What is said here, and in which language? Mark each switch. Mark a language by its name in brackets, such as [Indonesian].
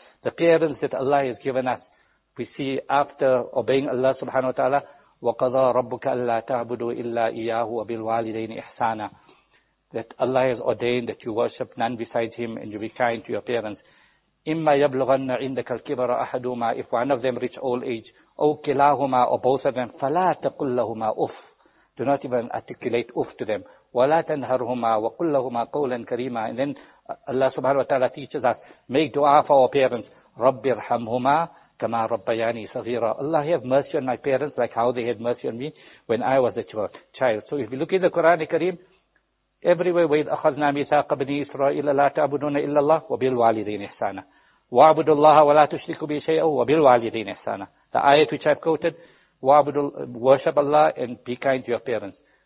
[English] The parents that Allah has given us, we see after obeying Allah subhanahu wa ta'ala, [Arabic] وَقَضَى رَبُّكَ أَلَّا تَعْبُدُوا إِلَّا إِيَّاهُ وَبِالْوَالِدَيْنِ إِحْسَانًا. [English] That Allah has ordained that you worship none besides Him and you be kind to your parents. [Arabic] إِمَّا يَبْلُغَنَّ عِنْدَكَ الْكِبَرَ أَحَدُهُمَا. [English] If one of them reach old age, [Arabic] أو كلاهما [English] or both of them, [Arabic] فلا تقل لهما أف. [English] Do not even articulate أف to them. [Arabic] ولا تنهرهما وقل لهما قولا كريما. [English] And then Allah subhanahu wa ta'ala teaches us, make dua for our parents. [Arabic] رب ارحمهما كما ربياني صغيرا. [English] Allah have mercy on my parents like how they had mercy on me when I was a child. So if you look in the Quran Kareem, Everywhere [Arabic] وَإِذْ أَخَذْنَا مِيثَاقَ بَنِي إِسْرَائِيلَ لَا تَعْبُدُونَ إِلَّا اللَّهَ وَبِالْوَالِدَيْنِ إِحْسَانًا وَاعْبُدُوا اللَّهَ وَلَا تُشْرِكُوا بِهِ شَيْئًا وَبِالْوَالِدَيْنِ إِحْسَانًا. [English] The ayat which I've quoted, worship Allah and be kind to your parents.